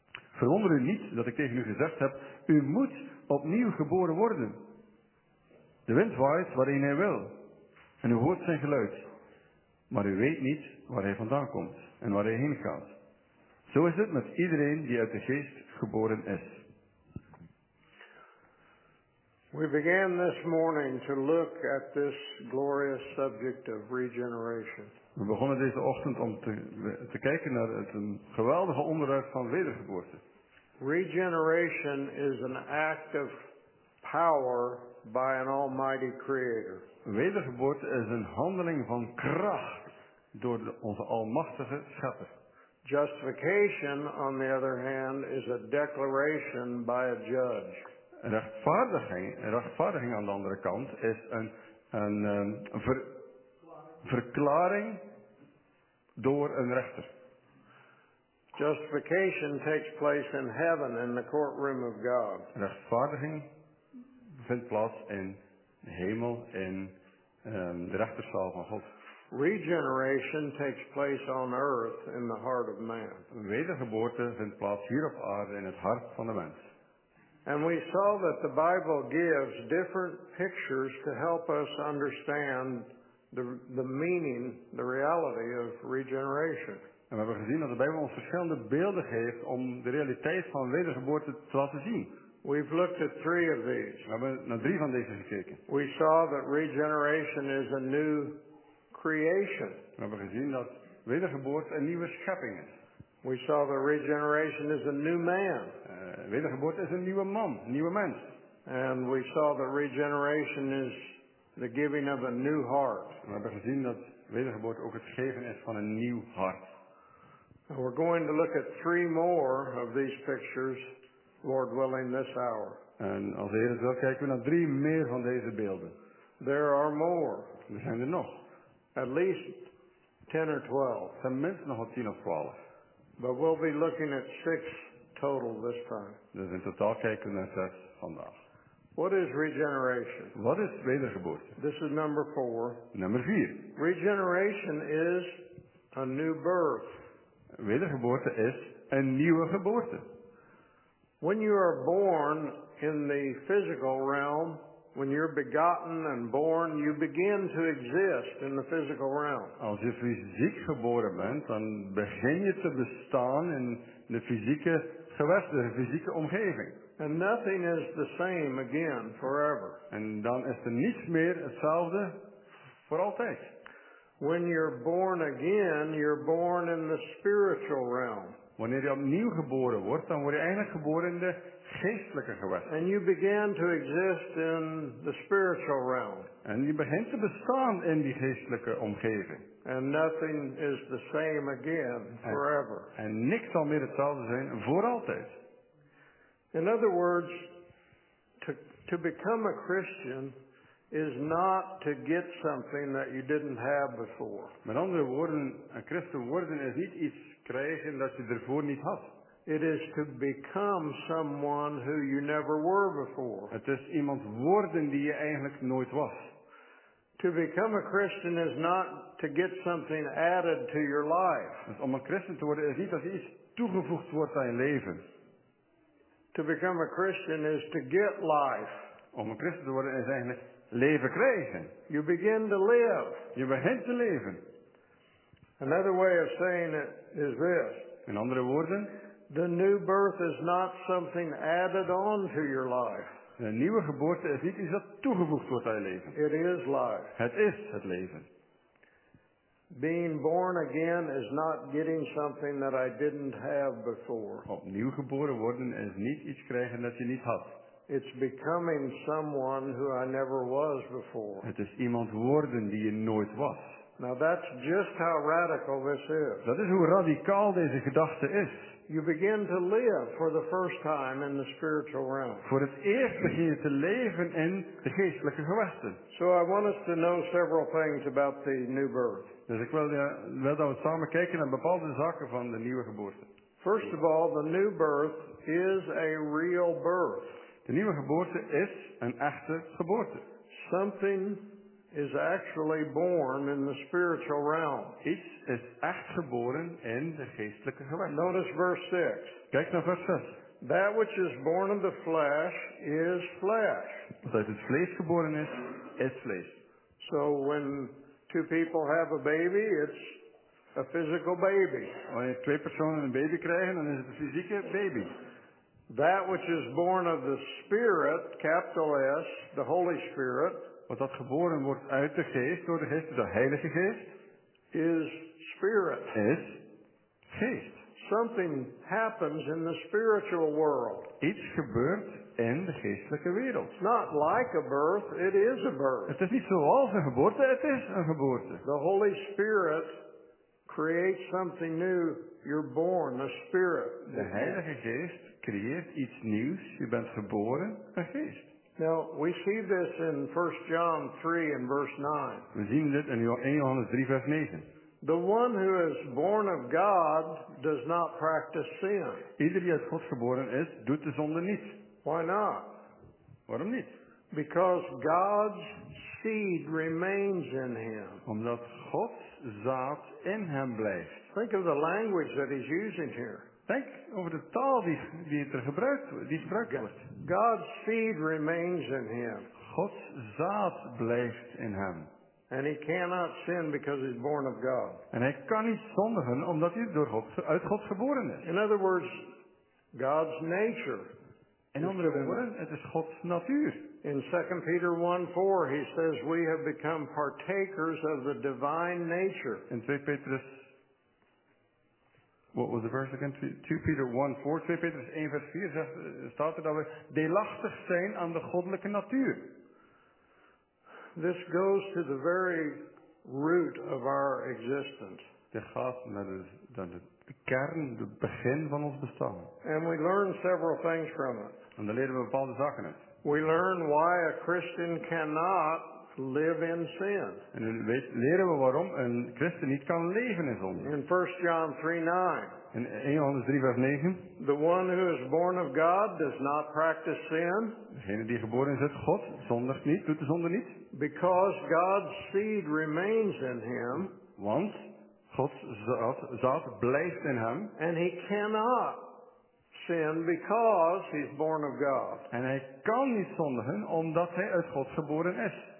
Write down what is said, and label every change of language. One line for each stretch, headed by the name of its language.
Dutch: Verwonder u niet dat ik tegen u gezegd heb: u moet opnieuw geboren worden. De wind waait waarin hij wil, en u hoort zijn geluid, maar u weet niet waar hij vandaan komt en waar hij heen gaat. Zo is het met iedereen die uit de geest geboren is.
English: We began this morning to look at this glorious subject of regeneration.
Dutch: We begonnen deze ochtend om te kijken naar het een geweldige onderwerp van wedergeboorte.
English: Regeneration is an act of power by an almighty creator.
Dutch: Wedergeboorte is een handeling van kracht door onze almachtige schepper.
English: Justification, on the other hand, is a declaration by a judge.
Dutch: Rechtvaardiging aan de andere kant is een verklaring door een rechter.
English: Justification takes place in heaven in the courtroom of God.
Dutch: Rechtvaardiging vindt plaats in de hemel in de rechterzaal van God.
English: Regeneration takes place on earth in the heart of man.
Dutch: Wedergeboorte vindt plaats hier op aarde in het hart van de mens.
English: And we saw that the Bible gives different pictures to help us understand the meaning, the reality of regeneration.
Dutch: En we hebben gezien dat de Bijbel ons verschillende beelden geeft om de realiteit van wedergeboorte te laten zien.
English: We've looked at three of these.
Dutch: We hebben naar drie van deze gekeken.
English: We saw that regeneration is a new creation.
Dutch: We hebben gezien dat wedergeboorte een nieuwe schepping is.
English: We saw that regeneration is a new man.
Dutch: Wedergeboorte is een nieuwe man, een nieuwe mens.
English: And we saw that regeneration is the giving of a new heart.
Dutch: We hebben gezien dat wedergeboorte ook het geven is van een nieuw hart.
English: And we're going to look at three more of these pictures, Lord willing, this hour.
Dutch: En als de Heer het wil, kijken we naar drie meer van deze beelden.
English: There are more.
Dutch: Er zijn er nog.
English: At least 10 or 12.
Dutch: Tenminste nog 10 of 12.
English: But we'll be looking at 6 total this time.
Dutch: Dus in totaal kijken we naar 6 vandaag.
English: What is regeneration?
Dutch: Wat is wedergeboorte?
English: This is number 4.
Dutch: Nummer 4.
English: Regeneration is A new birth.
Dutch: Wedergeboorte is een nieuwe geboorte.
English: When you are born in the physical realm, when you're begotten and born, you begin to exist in the physical realm.
Dutch: Als je fysiek geboren bent, dan begin je te bestaan in de fysieke gewesten, de fysieke omgeving.
English: And nothing is the same again forever.
Dutch: En dan is er niets meer hetzelfde voor altijd.
English: When you're born again, you're born in the spiritual realm.
Dutch: Wanneer je opnieuw geboren wordt, dan word je eigenlijk geboren in de geestelijke gewesten.
English: And you begin to exist in the spiritual realm.
Dutch: En je begint te bestaan in die geestelijke omgeving.
English: And nothing is the same again forever.
Dutch: En niks zal meer hetzelfde zijn voor altijd.
English: In other words, to become a Christian is not to get something that you didn't have before.
Dutch: Met andere woorden, een christen worden is niet iets krijgen dat je ervoor niet had.
English: It is to become someone who you never were before.
Dutch: Het is iemand worden die je eigenlijk nooit was.
English: To become a Christian is not to get something added to your life.
Dutch: Dus om een christen te worden is niet dat iets toegevoegd wordt aan je leven.
English: To become a Christian is to get life.
Dutch: Om een christen te worden is eigenlijk leven krijgen.
English: You begin to live.
Dutch: Je begint te leven.
English: Another way of saying it is this.
Dutch: In andere woorden,
English: the new birth is not something added on to your life.
Dutch: De nieuwe geboorte is niet iets dat toegevoegd wordt aan je leven.
English: It is life.
Dutch: Het is het leven.
English: Being born again is not getting something that I didn't have before.
Dutch: Opnieuw geboren worden is niet iets krijgen dat je niet had.
English: It's becoming someone who I never was before.
Dutch: Het is iemand worden die je nooit was.
English: Now that's just how radical this is.
Dutch: Dat is hoe radicaal deze gedachte is.
English: You begin to live for the first time in the spiritual realm.
Dutch: Voor het eerst begin je te leven in de geestelijke gewesten.
English: So I want us to know several things about the new birth.
Dutch: Dus ik wil dat we samen kijken naar bepaalde zaken van de nieuwe geboorte.
English: First of all, the new birth is a real birth.
Dutch: De nieuwe geboorte is een echte geboorte.
English: Something is actually born in the spiritual realm.
Dutch: Iets is echt geboren in de geestelijke gewesten.
English: Notice verse 6.
Dutch: Kijk naar vers 6.
English: That which is born of the flesh is flesh.
Dutch: Wat uit het vlees geboren is, is vlees.
English: So when two people have a baby, it's a physical baby.
Dutch: Wanneer twee personen een baby krijgen, dan is het een fysieke baby.
English: That which is born of the Spirit, capital S, the Holy Spirit.
Dutch: Wat dat geboren wordt uit de geest, door de geest, de Heilige Geest.
English: Is spirit.
Dutch: Is geest.
English: Something happens in the spiritual world.
Dutch: Iets gebeurt in de geestelijke wereld.
English: Not like a birth, it is a birth.
Dutch: Het is niet zoals een geboorte, het is een geboorte.
English: The Holy Spirit creates something new. You're born a spirit.
Dutch: De Heilige Geest creëert iets nieuws. Je bent geboren een geest.
English: Now, we see this in 1 John 3 and verse 9.
Dutch: We zien dit in 1 Johannes 3, vers 9.
English: The one who is born of God does not practice sin.
Dutch: Ieder die uit God geboren is, doet de zonde niet.
English: Why not?
Dutch: Waarom niet?
English: Because God's seed remains in him.
Dutch: Omdat Gods zaad in hem blijft.
English: Think of the language that he's using here.
Dutch: Denk over de taal die er gebruikt wordt.
English: God's seed remains in him.
Dutch: Gods zaad blijft in hem.
English: And he cannot sin because he's born of God.
Dutch: En hij kan niet zondigen omdat hij door God, uit God geboren is.
English: In other words, God's nature.
Dutch: In andere woorden, het is Gods natuur.
English: In 2 Peter 1:4 he says we have become partakers of the divine nature.
Dutch: In 2 Petrus,
English: what was the verse again? 2 Peter 1:4.
Dutch: 2 Peter 1 vers 4 staat er dat we deelachtig zijn aan de goddelijke natuur.
English: This goes to the very root of our existence.
Dutch: Dit gaat naar de kern, de begin van ons bestaan.
English: And we learn several things from it.
Dutch: En daar leren we bepaalde zaken uit.
English: We learn why a Christian cannot live in sin.
Dutch: En dan leren we waarom een christen niet kan leven in zonde.
English: In 1 John 3, 9.
Dutch: In 1 Johannes 3, vers 9.
English: The one who is born of God does not practice sin.
Dutch: Degene die geboren is uit God, zondigt niet, doet de zonde niet.
English: Because God's seed remains in him.
Dutch: Want Gods zaad blijft in hem.
English: And he cannot sin because he's born of God.
Dutch: En hij kan niet zondigen omdat hij uit God geboren is.